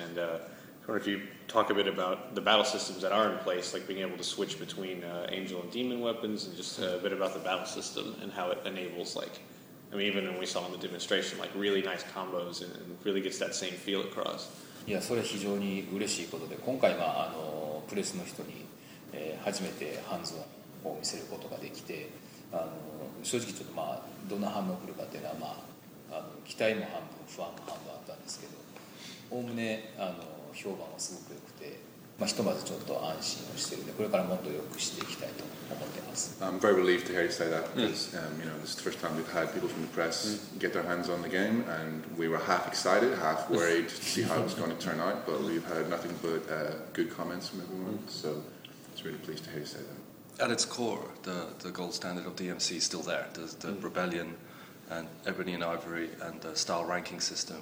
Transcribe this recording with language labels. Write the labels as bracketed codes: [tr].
[en] And I wonder if you talk a bit about the battle systems that are in place, like being able to switch between angel and demon weapons, and just a bit about the battle system and how it enables, like, I mean, even when we saw in the demonstration, like really nice combos and really gets that same feel across. Yeah, so it's really great. And this time, I first hands-on [ja] を見せることができて、正直ちょっとまあどんな反応が来るかっていうのは、まあ、期待も半分不安も半分あったんですけど、おおむね評判はすごく良くて、まあ、ひとまずちょっと安心をしているので、これからもっと良くしていきたいと思ってます。 [en] I'm very relieved to hear you say that, because you know, this is the first time we've had people from the press get their hands on the game, and we were half excited, half worried to see how it was going to turn out, but we've heard nothing but good comments from everyone, so it's really pleased to hear you say that. At its core, the gold standard of DMC is still there. There's the Rebellion and Ebony and Ivory and the style ranking system.